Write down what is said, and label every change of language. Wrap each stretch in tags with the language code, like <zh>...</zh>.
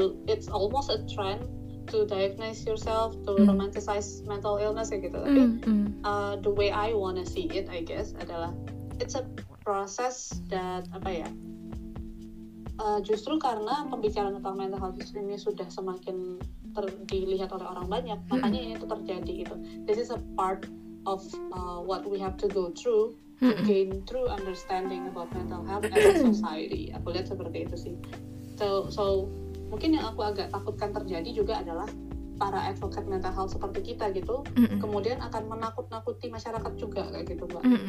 <en>It's almost a trend to diagnose yourself, to romanticize mental illness</en> <id>kayak gitu.</id> <en>Tapi the way I wanna see it, I guess, adalah it's a process that apa ya?</en> <id>Justru karena pembicaraan tentang mental health ini sudah semakin dilihat oleh orang banyak, makanya ini tuh terjadi gitu.</id> <en>This is a part of what we have to go through to gain true understanding about mental health as a society.</en> <id>Aku lihat seperti itu sih. So mungkin yang aku agak takutkan terjadi juga adalah para advocate mental health seperti kita gitu, kemudian akan menakut-nakuti masyarakat juga kayak gitu, Mbak.</id>